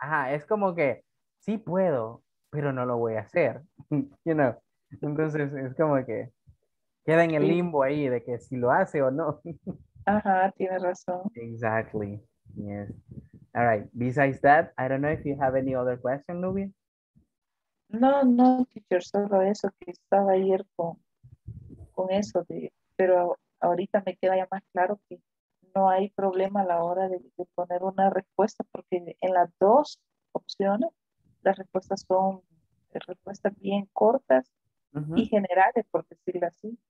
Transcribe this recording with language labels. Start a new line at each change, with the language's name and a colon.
Spanish: Es como que sí puedo, pero no lo voy a hacer.
English: You know?
Spanish: Entonces es como que queda en el limbo ahí de que si lo hace o no. Ajá, tiene razón.
English: Exactly. Yes. All right. Besides that, I don't know if you have any other question, Nubia.
Spanish: No, teacher, solo eso que estaba ayer con eso de, pero ahorita me queda ya más claro que no hay problema a la hora de poner una respuesta, porque en las dos opciones las respuestas son respuestas bien cortas y generales, por decirlo así.